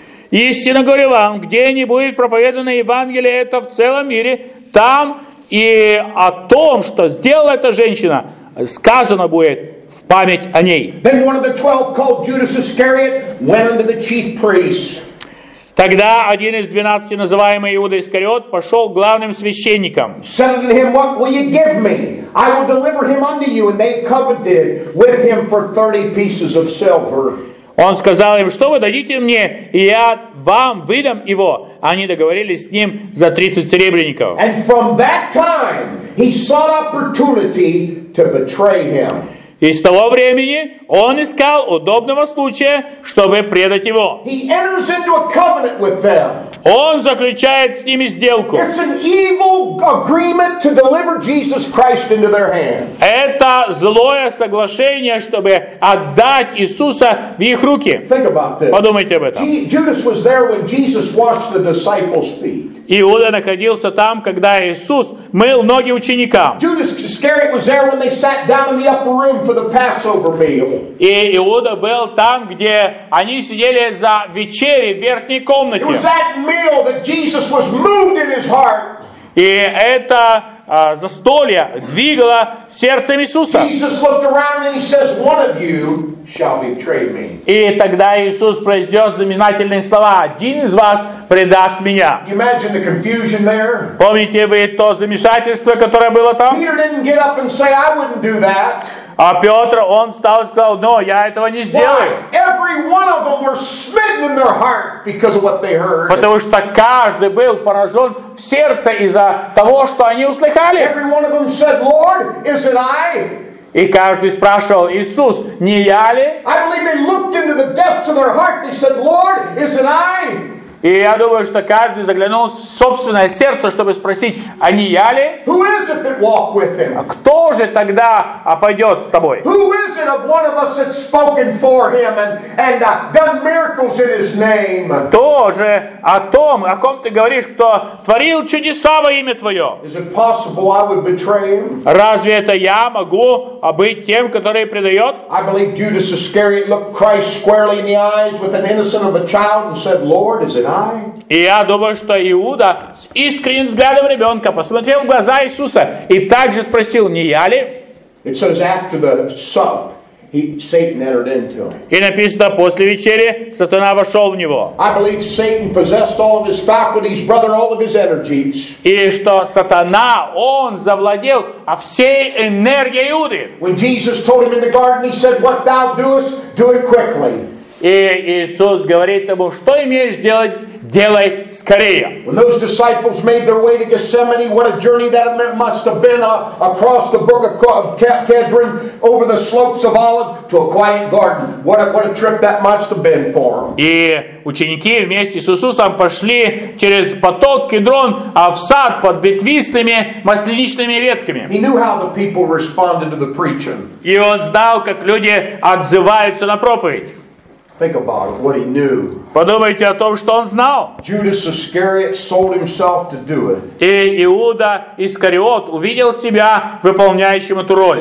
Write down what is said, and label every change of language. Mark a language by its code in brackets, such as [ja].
[ru] Истинно говорю вам, где не будет проповедано Евангелие это в целом мире, там и о том, что сделала эта женщина, сказано будет в память о ней. [en] Then one of the 12, called Judas Iscariot, went unto the chief priests. [ru] Тогда один из 12, называемый Иуда Искариот, пошел к главным священникам. [en] Said unto him, what will you give me? I will deliver him unto you. And they coveted with him for 30 pieces of silver. [ru] Он сказал им, что вы дадите мне, и я вам выдам его. Они договорились с ним за 30 серебряников. [en] And from that time, he sought opportunity to betray him. [ru] И с того времени он искал удобного случая, чтобы предать его. [en] He enters into a covenant with them. [ru] Он заключает с ними сделку. [en] It's an evil agreement to deliver Jesus Christ into their hands. [ru] Это злое соглашение, чтобы отдать Иисуса в их руки. [en] Think about this. [ru] Подумайте об этом. [en] Judas was there when Jesus washed the disciples' feet. [ru] Иуда находился там, когда Иисус мыл ноги ученикам. [en] Judas Iscariot was there when they sat down in the upper room for the Passover meal. [ru] И Иуда был там, где они сидели за вечерей в верхней комнате. [en] It was that meal that Jesus was moved in his heart. [ru] И это застолье двигало сердцем Иисуса. [en] Jesus looked around and he says, "One of you shall betray me." [ru] И тогда Иисус произнес знаменательные слова: "Один из вас предаст меня." [en] Imagine the confusion there. [ru] Помните вы то замешательство, которое было там? [en] Peter didn't get up and say, "I wouldn't do that." [ru] А Петр, он встал и сказал, но я этого не сделаю. [en] Every one of them were smitten in their heart because of what they heard. [ru] Потому что каждый был поражен в сердце из-за того, что они услыхали. [en] Every one of them said, Lord, is it I? [ru] И каждый спрашивал: Иисус, не я ли? [en] I believe they looked into the depths of their heart. They said, Lord, is it I? [ru] И я думаю, что каждый заглянул в собственное сердце, чтобы спросить, а не я ли? [en] Who is it that walk with him? [ru] Кто же тогда пойдет с тобой? [en] Who is it of one of us that's spoken for him and done miracles in his name? [ru] Кто же о том, о ком ты говоришь, кто творил чудеса во имя твое? [en] Is it possible I would betray him? [ru] Разве это я могу быть тем, который предает? [en] I believe Judas Iscariot looked Christ squarely in the eyes with an innocent of a child and said, Lord, is it? [ru] И я думаю, что Иуда с искренним взглядом ребенка посмотрел в глаза Иисуса и также спросил, не я ли? [en] It says after the sup, Satan entered into him. [ru] И написано, после вечери сатана вошел в него. [en] I believe Satan possessed all of his faculties, brother, all of his energies. [ru] И что сатана, он завладел всей энергией Иуды. [en] When Jesus told him in the garden, he said, what thou doest, do it quickly. [ru] И Иисус говорит ему, что имеешь делать, делай скорее. [en] When those disciples made their way to Gethsemane, what a journey that must have been across the brook of Kedron, over the slopes of Olive, to a quiet garden. What a trip that must have been for them. [ru] И ученики вместе с Иисусом пошли через поток Кедрон, в сад под ветвистыми масличными ветками. [en] He knew how the people responded to the preaching. [ru] И он знал, как люди отзываются на проповедь. [en] Think about it, what he knew. [ru] Подумайте о том, что он знал. [en] Judas Iscariot sold himself to do it. [ru] И Иуда Искариот увидел себя выполняющим эту роль.